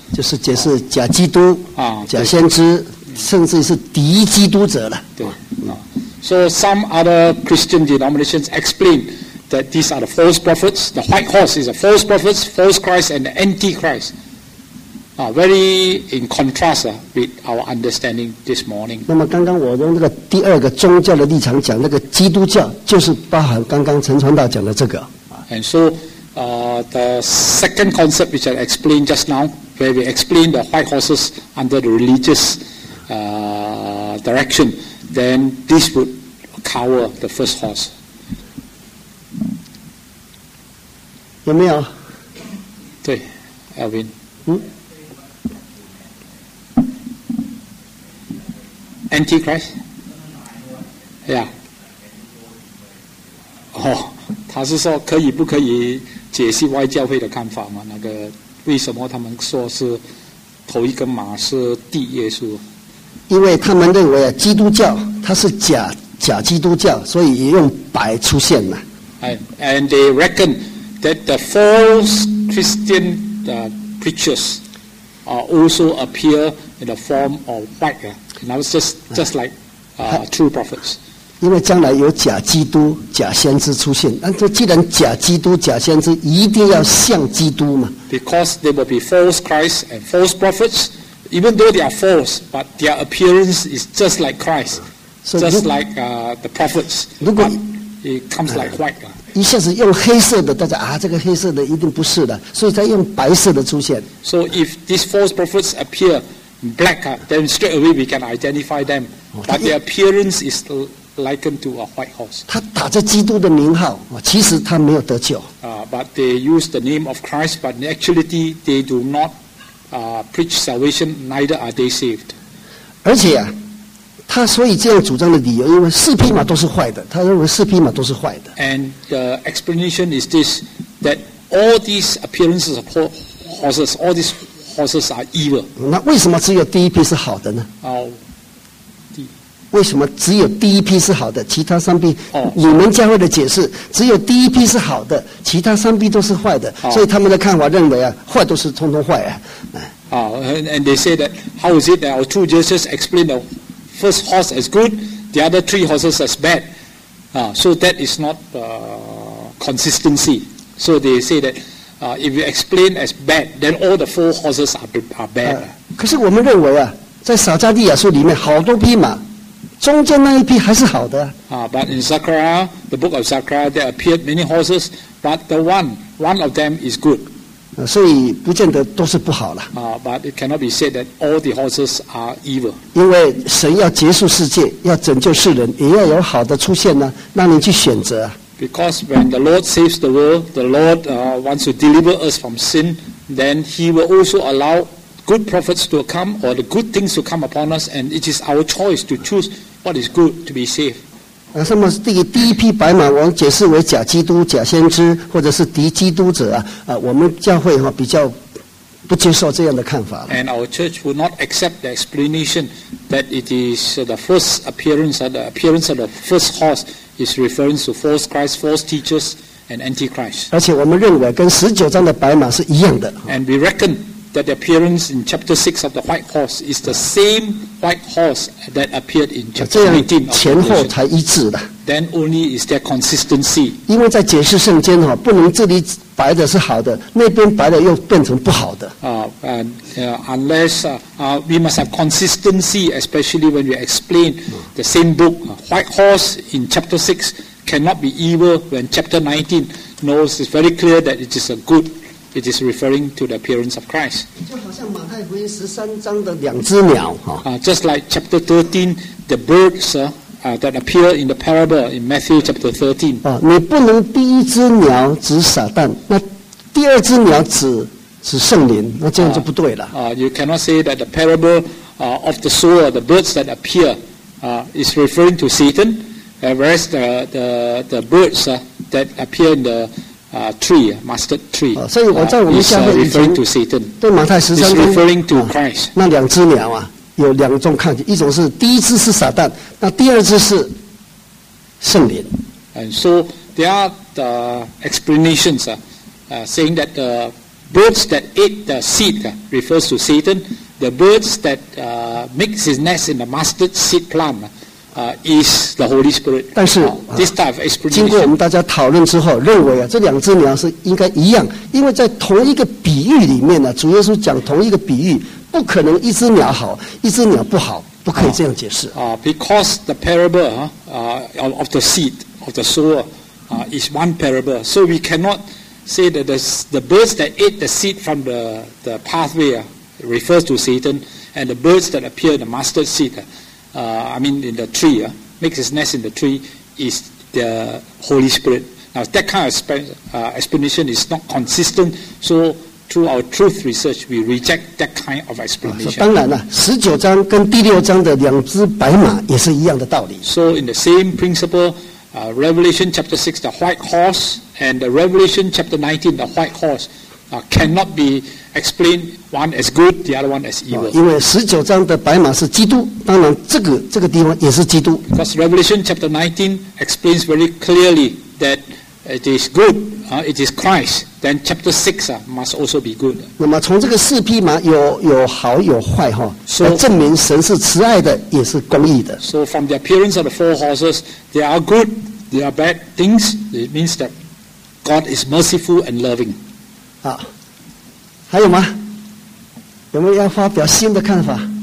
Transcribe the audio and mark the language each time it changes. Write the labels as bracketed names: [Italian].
[Chinese] 就是解释假基督假先知。甚至是敌基督者了。对。 [English] So some other Christian denominations explain that these are the false prophets. The white horse is a false prophet, false Christ, and the antichrist. Very in contrast with our understanding this morning. [Chinese] 那么刚刚我用那个第二个宗教的立场讲，那个基督教就是包含刚刚陈传道讲的这个。 [English] And so, the second concept which I explained just now, where we explain the white horses under the religious. Direction then this would cover the first horse. [Chinese] 有没有？对 ，Alvin。 [English] Antichrist。 Yeah。 [Chinese] 哦，他是说可以不可以解析外教会的看法吗？那个为什么他们说是头一个马是第耶稣？因为他们认为基督教它是假基督教，所以也用白出现嘛。 [English] And they reckon that the false Christian preachers also appear in the form of white, and that's just like true prophets. [Chinese] 因为将来有假基督、假先知出现，那这既然假基督、假先知，一定要像基督嘛。 [English] Because there will be false Christ and false prophets. Even though they are false, but their appearance is just like Christ, so, just like the prophets. But it comes like white. [Chinese] 一下子用黑色的，大家啊，这个黑色的一定不是的，所以才用白色的出现。 [English] So if these false prophets appear black, then straight away we can identify them. But their appearance is likened to a white horse. [Chinese] 他打着基督的名号，其实他没有得救。 [English] But they use the name of Christ, but in actuality they do not. Preach salvation, neither are they saved. [Chinese] 而且啊，他所以这样主张的理由，因为四匹马都是坏的，他认为四匹马都是坏的。 [English] And the explanation is this: that all these appearances of horses, all these horses are evil. [Chinese] 那为什么只有第一匹是好的呢？为什么只有第一批是好的，其他三批？你们教会的解释，只有第一批是好的，其他三批都是坏的。所以他们的看法认为啊，坏都是通通坏啊。 [English] And they say that how is it that our two judges explain the first horse as good, the other three horses as bad? So that is not consistency. So they say that if you explain as bad, then all the four horses are bad. [Chinese] 可是我们认为啊，在撒迦利亚书里面好多匹马。中间那一批还是好的。 [English] But in Zechariah, the book of Zechariah, there appeared many horses, but the one of them is good. [Chinese] 所以不见得都是不好了。 [English] But it cannot be said that all the horses are evil. [Chinese] 因为神要结束世界，要拯救世人，也要有好的出现呢，让你去选择。 [English] Because when the Lord saves the world, the Lord wants to deliver us from sin, then He will also allow. Good prophets to come, or the good things to come upon us, and it is our choice to choose what is good to be saved. [Chinese] 那么第一批白马，我们解释为假基督、假先知，或者是敌基督者我们教会比较不接受这样的看法。 [English] And our church would not accept the explanation that it is the first appearance, the appearance of the first horse is referring to false Christ, false teachers, and antichrist. [Chinese] 而且我们认为跟十九章的白马是一样的。 [English] And we reckon. That the appearance in chapter 6 of the white horse is the same white horse that appeared in chapter 19. [Chinese] 前后才一致的。 [English] Then only is there consistency. [Chinese] 因为在解释圣经哈，不能这里白的是好的，那边白的又变成不好的。 [English] We must have consistency, especially when we explain the same book. White horse in chapter 6 cannot be evil when chapter 19 knows it's very clear that it is a good. It is referring to the appearance of Christ. [Chinese] 就好像马太福音十三章的两只鸟哈。 [English] Just like chapter 13, the birds that appear in the parable in Matthew chapter 13. [Chinese] 你不能第一只鸟指撒旦，那第二只鸟指圣灵，那这样就不对了。 [English] You cannot say that the parable of the sower, the birds that appear, is referring to Satan, whereas the birds that appear in the tree, mustard tree. [Chinese] 所以我在我们教会以前 [English] to Satan, [Chinese] 对马太十三章 [English] referring to Christ. [Chinese] 那两只鸟啊，有两种看见，一种是第一只是撒旦，那第二只是圣灵。 [English] And so there are the explanations, saying that the birds that ate the seed refers to Satan. The birds that make his nest in the mustard seed plant. Is the Holy Spirit. [Chinese] 但是、 [English] this type of explanation, [Chinese] 经过我们大家讨论之后认为、这两只鸟是应该一样，因为在同一个比喻里面、主耶稣讲同一个比喻，不可能一只鸟好一只鸟不好，不可以这样解释。 [English] Because the parable of the seed of the sower is one parable, so we cannot say that the birds that ate the seed from the pathway refers to Satan, and the birds that appear in the mustard seed in the tree, makes his nest in the tree, is the Holy Spirit. Now, that kind of explanation is not consistent, so through our truth research, we reject that kind of explanation. [Chinese] 当然了，十九章跟第六章的两只白马也是一样的道理。 [English] So in the same principle, Revelation chapter 6, the white horse, and the Revelation chapter 19, the white horse, cannot be explained one as good, the other one as evil. [Chinese] 因为十九章的白马是基督，当然这个地方也是基督。 [English] Because Revelation chapter 19 explains very clearly that it is good, it is Christ, then chapter 6 must also be good. [Chinese] 那么从这个四匹马有好有坏哈，来证明神是慈爱的，也是公义的。 [English] So from the appearance of the four horses, there are good, there are bad things. It means that God is merciful and loving. [Chinese] 啊，还有吗？有没有要发表新的看法？